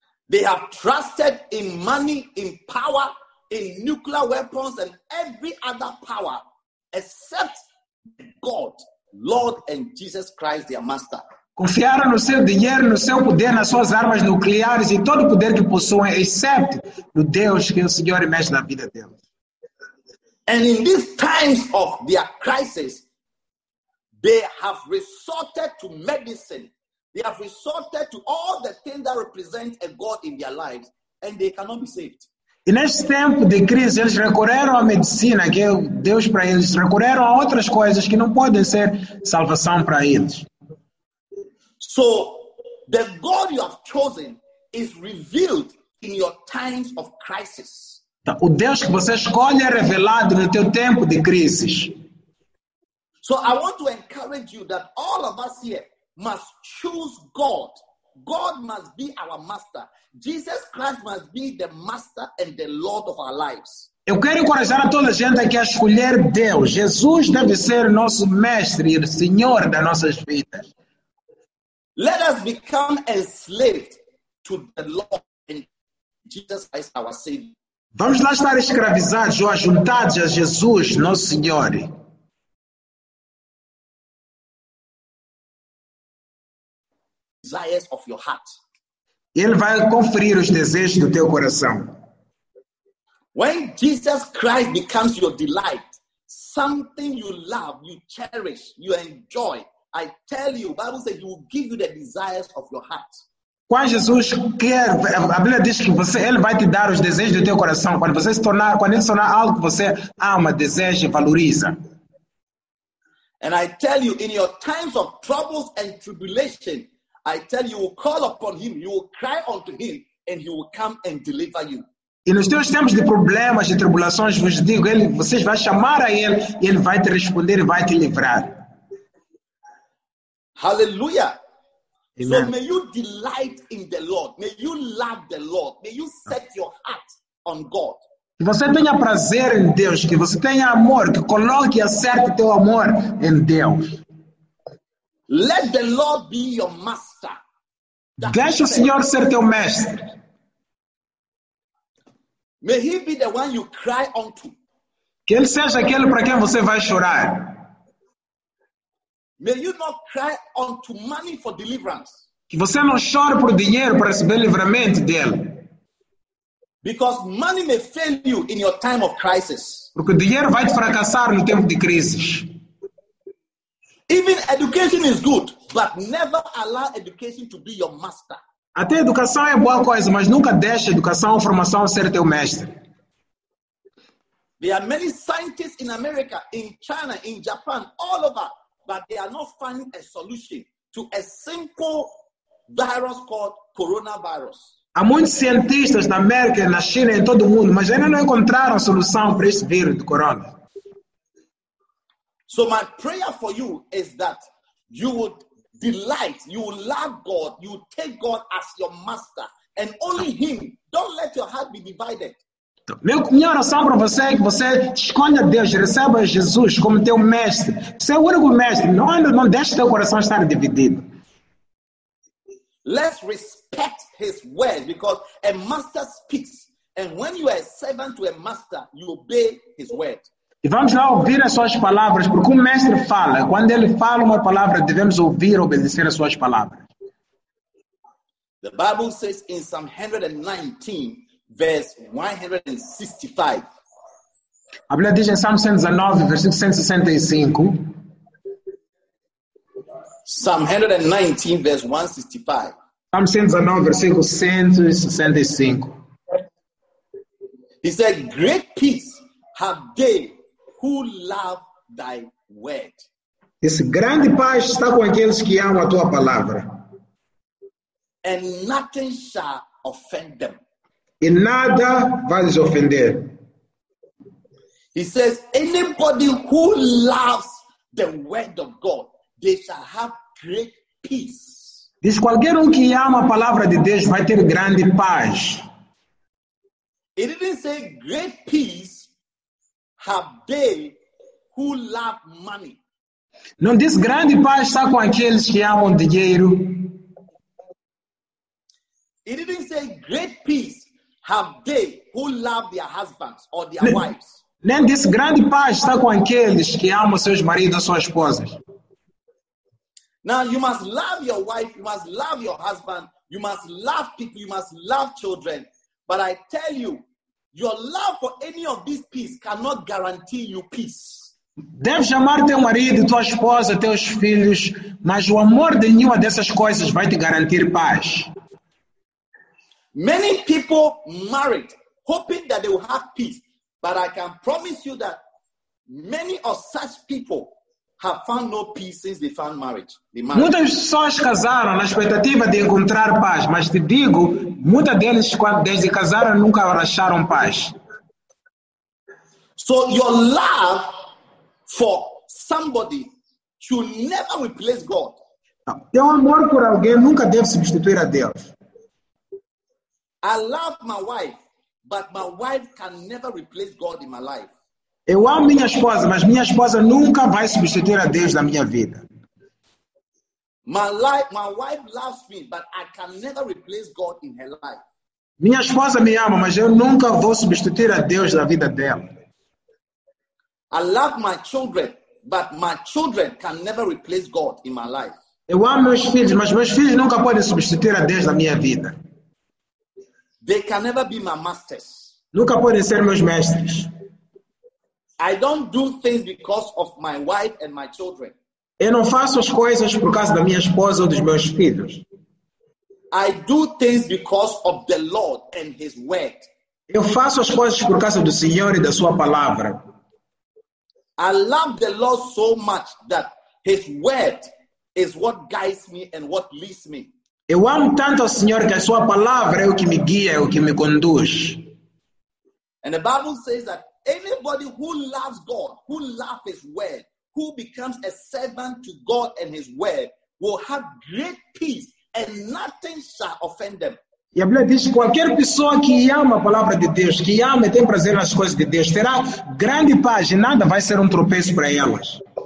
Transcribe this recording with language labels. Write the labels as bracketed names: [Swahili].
[English] They have trusted in money, in power, in nuclear weapons and every other power except God, Lord and Jesus Christ, their master. [Portuguese] Confiaram no seu dinheiro, no seu poder, nas suas armas nucleares e todo o poder que possuem, exceto no Deus que o Senhor mexe na vida deles. [English] And in these times of their crisis, they have resorted to medicine. They have resorted to all the things that represent a God in their lives, and they cannot be saved. [Portuguese] E neste tempo de crise, eles recorreram à medicina, que é Deus para eles, recorreram a outras coisas que não podem ser salvação para eles. [English] So, the God you have chosen is revealed in your times of crisis. [Portuguese] O Deus que você escolhe é revelado no teu tempo de crises. [English] So, I want to encourage you that all of us here must choose God. God must be our master. Jesus Christ must be the master and the Lord of our lives. [Portuguese] Eu quero encorajar a toda a gente aqui a escolher Deus. Jesus deve ser nosso mestre e Senhor das nossas vidas. [English] Let us become enslaved to the Lord and Jesus Christ, our Savior. [Portuguese] Vamos lá estar escravizados ou ajuntados a Jesus, nosso Senhor. [English] Desires of your heart. [Portuguese] Ele vai conferir os desejos do teu coração. [English] When Jesus Christ becomes your delight, Something you love, you cherish, you enjoy. I tell you, Bible says he will give you the desires of your heart. [Portuguese] Quando Jesus quer, a Bíblia diz que você, ele vai te dar os desejos do teu coração. Quando você se tornar, quando ele se tornar algo que você ama, deseja, valoriza. [English] And I tell you, in your times of troubles and tribulation, I tell you, you will call upon him, you will cry unto him, and he will come and deliver you. [Portuguese] E nos teus tempos de problemas e tribulações, vos digo, ele, vocês vão chamar a ele, e ele vai te responder e vai te livrar. Hallelujah. Amen. [English] So may you delight in the Lord. May you love the Lord. May you set your heart on God. [Portuguese] Que você tenha prazer em Deus. Que você tenha amor. Que coloque e acerte teu amor em Deus. [English] Let the Lord be your master. [Portuguese] Deixe o Senhor ser teu mestre. [English] May he be the one you cry unto. [Portuguese] Que ele seja aquele para quem você vai chorar. [English] May you not cry unto money for deliverance. [Portuguese] Que você não chore por dinheiro para receber livramento dele. [English] Because money may fail you in your time of crisis. [Portuguese] Porque o dinheiro vai te fracassar no tempo de crise. [English] Even education is good, but never allow education to be your master. [Portuguese] Até educação é boa coisa, mas nunca deixe educação ou formação ser teu mestre. [English] There are many scientists in America, in China, in Japan, all over, but they are not finding a solution to a simple virus called coronavirus. [Portuguese] Há muitos cientistas na América, na China, em todo o mundo, mas ainda não encontraram solução para esse vírus do corona. [English] So my prayer for you is that you would delight, you will love God, you will take God as your master, and only him. Don't let your heart be divided. [Portuguese] Minha oração para você é que você escolha Deus, receba Jesus como teu mestre. Você é o único mestre, não deixe teu coração estar dividido. [English] Let's respect his word, because a master speaks, and when you are a servant to a master, you obey his word. [Portuguese] E vamos lá ouvir as suas palavras, porque o mestre fala. Quando ele fala uma palavra, devemos ouvir e obedecer as suas palavras. [English] The Bible says in Psalm 119, verse 165. [Portuguese] A Bíblia diz em Salmo 119, versículo 165. [English] Psalm 119, verse 165. [Portuguese] Salmo 119, versículo 165. [English] He said, great peace have they who love thy word. [Portuguese] Esse grande paz está com aqueles que amam a tua palavra. [English] And nothing shall offend them. [Portuguese] E nada vai lhes ofender. [English] He says, anybody who loves the word of God, they shall have great peace. [Portuguese] Diz, qualquer um que ama a palavra de Deus vai ter grande paz. [English] He didn't say great peace have they who love money. [Portuguese] Não diz grande paz está com aqueles que amam dinheiro. [English] It didn't say great peace have they who love their husbands or their wives. [Portuguese] Nem diz grande paz está com aqueles que amam seus maridos ou suas esposas. [English] Now you must love your wife, you must love your husband, you must love people, you must love children. But I tell you, your love for any of these peace cannot guarantee you peace. [Portuguese] Deves amar teu marido, tua esposa, teus filhos, mas o amor de nenhuma dessas coisas vai te garantir paz. [English] Many people married hoping that they will have peace, but I can promise you that many of such people have found no peace since they found marriage. [Portuguese] Muitas pessoas casaram na expectativa de encontrar paz, mas te digo, muitas delas, desde casaram, nunca acharam paz. [English] So your love for somebody should never replace God. [Portuguese] Teu amor por alguém nunca deve substituir a Deus. [English] I love my wife, but my wife can never replace God in my life. [Portuguese] Eu amo minha esposa, mas minha esposa nunca vai substituir a Deus na minha vida. [English] My wife loves me, but I can never replace God in her life. [Portuguese] Minha esposa me ama, mas eu nunca vou substituir a Deus na vida dela. [English] I love my children, but my children can never replace God in my life. [Portuguese] Eu amo meus filhos, mas meus filhos nunca podem substituir a Deus na minha vida. [English] They can never be my masters. [Portuguese] Nunca podem ser meus mestres. [English] I don't do things because of my wife and my children. [Portuguese] Eu não faço as coisas por causa da minha esposa ou dos meus filhos. [English] I do things because of the Lord and His word. [Portuguese] Eu faço as coisas por causa do Senhor e da sua palavra. [English] I love the Lord so much that His word is what guides me and what leads me. [Portuguese] Eu amo tanto o Senhor que a sua palavra é o que me guia, é o que me conduz. [English] And the Bible says that anybody who loves God, who loves His word, who becomes a servant to God and His word, will have great peace and nothing shall offend them. [Portuguese] E a Bíblia diz que qualquer pessoa que ama a palavra de Deus, que ama e tem prazer nas coisas de Deus, terá grande paz e nada vai ser tropeço para elas.